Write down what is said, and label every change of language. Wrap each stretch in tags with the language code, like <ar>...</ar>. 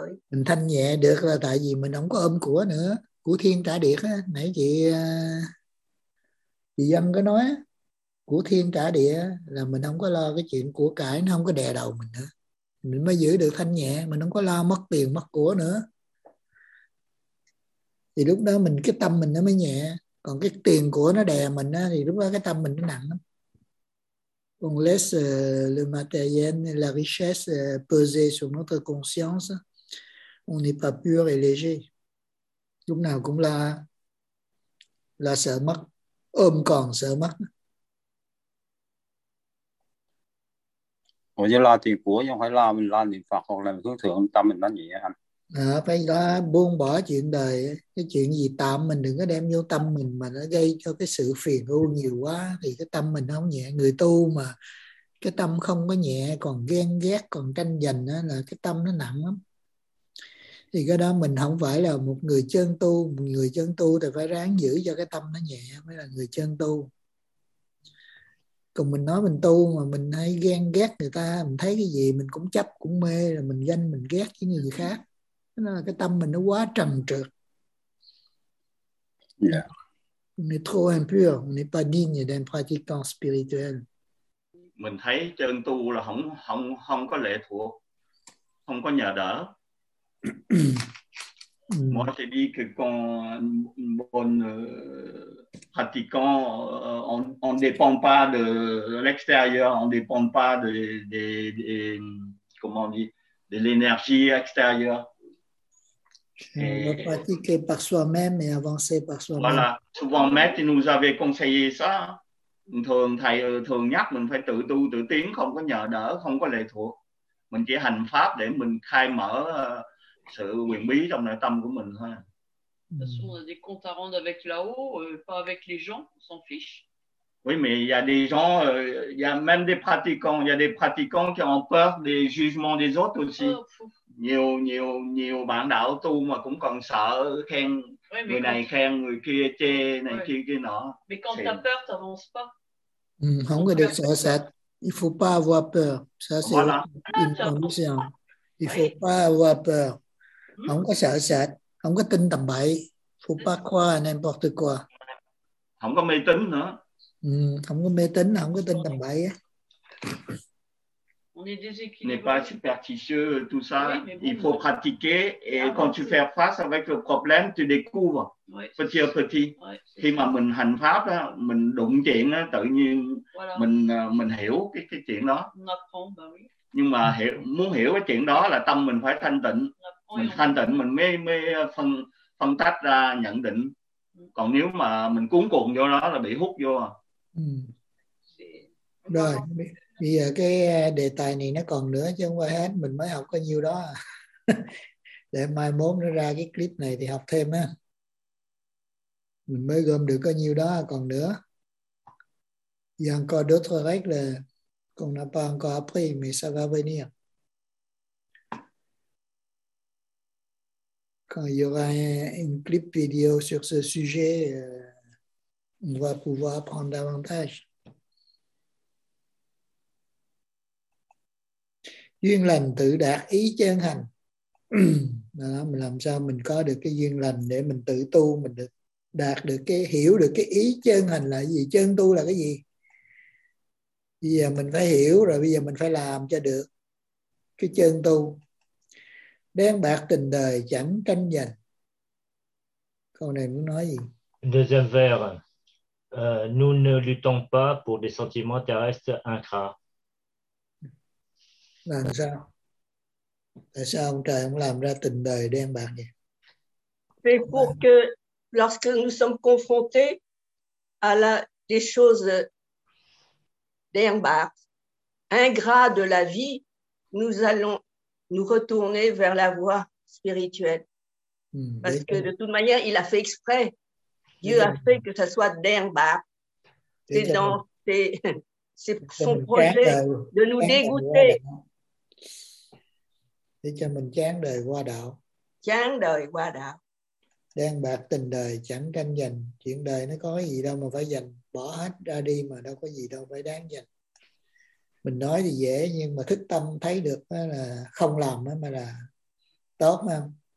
<vi>Mình thanh nhẹ được là tại vì mình không có ôm của nữa. Của thiên trả địa á, nãy chị Dân có nói, của thiên trả địa là mình không có lo cái chuyện của cải, nó không có đè đầu mình nữa. Mình mới giữ được thanh nhẹ, mình không có lo mất tiền, mất của nữa. Thì lúc đó mình cái tâm mình nó mới nhẹ. Còn cái tiền của nó đè mình á, thì lúc đó cái tâm mình nó nặng lắm.</vi> <fr>On laisse le matériel, la richesse peser sur notre conscience. On n'est pas pur et léger.</fr> <vi>Lúc nào cũng là sợ mất, ôm còn sợ mất. Ủa chứ lo tiền của chứ không phải lo mình lo niệm Phật hoặc là mình hướng thượng tâm mình nó nhẹ anh. À, phải lo buông bỏ chuyện đời, cái chuyện gì tạm mình đừng có đem vô tâm mình mà nó gây cho cái sự phiền ưu nhiều quá thì cái tâm mình không nhẹ. Người tu mà cái tâm không có nhẹ còn ghen ghét còn tranh giành đó, là cái tâm nó nặng lắm. Thì cái đó mình không phải là một người chân tu. Một người chân tu thì phải ráng giữ cho cái tâm nó nhẹ mới là người chân tu. Còn mình nói mình tu mà mình hay ghen ghét người ta, mình thấy cái gì mình cũng chấp, cũng mê, rồi mình ganh, mình ghét với người khác. Nó là cái tâm mình nó quá trầm trượt. Yeah.</vi> <fr>On est trop impur, on n'est pas digne d'un pratiquant spirituel.</fr> <vi>Mình thấy chân tu là không có lệ thuộc, không có nhờ đỡ.</vi> <fr>Moi j'ai dit que quand un bon pratiquant on dépend pas de l'extérieur, on dépend pas de comment on dit, de l'énergie extérieure. On va pratiquer par soi-même et avancer par soi-même. Voilà, souvent maître nous avait conseillé ça.</fr> <vi>Thường thầy thường nhắc mình phải tự tu tự tiến, không có nhờ đỡ, không có lệ thuộc. Mình chỉ hành pháp để mình khai mở sự quyền bí trong nội tâm của mình thôi.</vi> <fr>Parce qu'on a des comptes à rendre avec là-haut, pas avec les gens, on s'en fiche. Oui, mais il y a des gens, il y a même des pratiquants, il y a des pratiquants qui ont peur des jugements des autres aussi.</fr> <vi>Nhiều bạn đạo tu mà cũng còn sợ khen, ouais, người này khen, người kia chê, này kia kia nọ.</vi> <fr>Mais quand t'as peur, t'avances pas.</fr> <vi>Không có được sợ sệt.</vi> <fr>Il faut pas avoir peur. Ça, c'est une condition. Il faut pas avoir peur.</fr> <vi>Không có sợ sệt, không có tin tầm bậy.</vi> <fr>Faut pas croire n'importe quoi.</fr> <vi>Không có mê tín nữa. Không có mê tín, không có tin tầm bậy.</vi> <fr>N'est pas superstitieux, tout ça. Il faut pratiquer et quand tu fais face avec le problème, tu découvres petit à petit.</fr> <vi>Khi mà mình hành pháp, mình đụng chuyện, tự nhiên mình hiểu cái chuyện đó. Nhưng mà muốn hiểu cái chuyện đó là tâm mình phải thanh tịnh. Mình thanh tịnh, mình mới phân tách ra nhận định. Còn nếu mà mình cuốn cuồng vô đó là bị hút vô. Rồi. Bây giờ cái đề tài này nó còn nữa chứ không qua hết, mình mới học có nhiêu đó. Để mai mốt nó ra cái clip này thì học thêm á. Mình mới gom được có nhiêu đó còn nữa.</vi> <fr>Il y a encore d'autres règles qu'on n'a pas encore appris, mais ça va venir. Quand il y aura une clip vidéo sur ce sujet, on va pouvoir apprendre davantage.</fr> <vi>duyên lành tự đạt ý chân hành. Đó, mình làm sao mình có được cái duyên lành để mình tự tu, mình được đạt được cái, hiểu được cái ý chân hành là gì, chân tu là cái gì. Bây giờ mình phải hiểu rồi, bây giờ mình phải làm cho được cái chân tu. Đen bạc tình đời chẳng tranh giành. Câu này muốn nói gì?</vi> <fr>Deuxième vers. Nous ne luttons pas pour des sentiments terrestres ingrats.</fr> <vi>Làm sao? Tại sao ông trời không làm ra tình đời đen bạc vậy?</vi> <fr>C'est pour que lorsque nous sommes confrontés à la des choses đen bạc, ingrats de la vie, nous allons nous retourner vers la voie spirituelle. Parce que de toute manière, il a fait exprès. Dieu a fait que ça soit d'herbe. C'est dans c'est son projet de nous dégoûter.</fr> <vi>Để cho mình chán đời qua đạo. Chán đời qua đạo. Đen bạc tình đời chẳng tranh giành. Chuyện đời nó có gì đâu mà phải giành. Bỏ hết ra đi mà đâu có gì đâu phải đáng giành. Mình nói thì dễ nhưng mà thức tâm thấy được là không làm mà là tốt không?</vi>